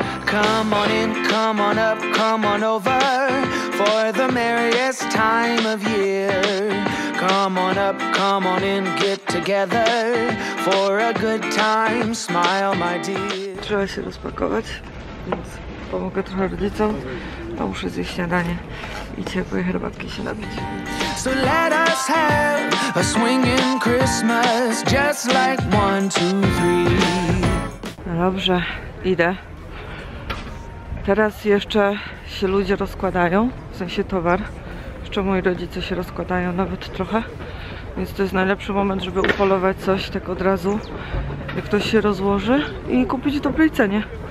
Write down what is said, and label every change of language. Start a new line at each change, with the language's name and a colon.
English: Come on in, come on up, come on over, for the merriest time of year. Come on up, come on in, get together, for a good time, smile my dear.
Polish: Trzeba się rozpakować, więc pomogę trochę rodzicom, a muszę zjeść śniadanie i ciepłej herbatki się napić.
English: So let us have a swinging Christmas, just like 1, 2, 3.
Polish: No dobrze, idę. Teraz jeszcze się ludzie rozkładają, w sensie towar. Jeszcze moi rodzice się rozkładają nawet trochę. Więc to jest najlepszy moment, żeby upolować coś tak od razu, jak ktoś się rozłoży, i kupić w dobrej cenie.